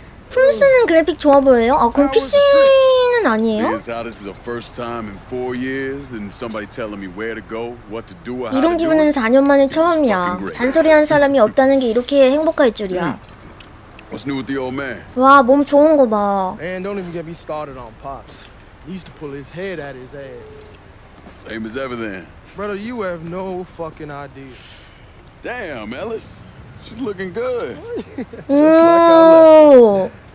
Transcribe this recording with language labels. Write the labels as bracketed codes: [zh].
[ko] 품스는 그래픽 좋아 보여요? 아, 그럼 PC는 아니에요? [en] This is the first time in 4 years, and somebody telling me where to go, what to do. [ko] 이런 기분은 4년 만에 처음이야. 잔소리한 사람이 없다는 게 이렇게 행복할 줄이야. [en] What's new with the old man? [ko] 와, 몸 좋은 거 봐. [en] And don't even get me started on Pops. He used to pull his head out of his ass. Same as ever then. Brother, you have no fucking idea. Damn, Ellis. She's looking good. Just like our left.